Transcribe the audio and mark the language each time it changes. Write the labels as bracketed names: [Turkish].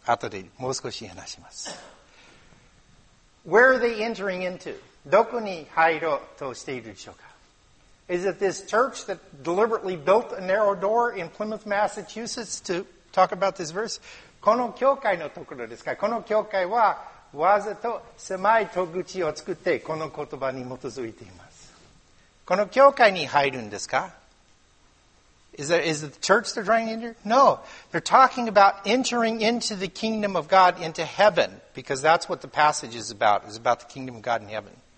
[Japanese] 後でもう少し話します。 [English] Where are they entering into? [Japanese] どこに入ろうとしているでしょうか? [English] Is it this church that deliberately built a narrow door in Plymouth, Massachusetts to talk about this verse? [Japanese] この教会のところですか?この教会は わざと狭い戸口を作ってこの言葉に基づいています。この教会に入るんですか? [English] Is it the church they're trying to enter? No. They're talking about entering into the kingdom of God, into heaven, because that's what the passage is about. It's about the kingdom of God in heaven.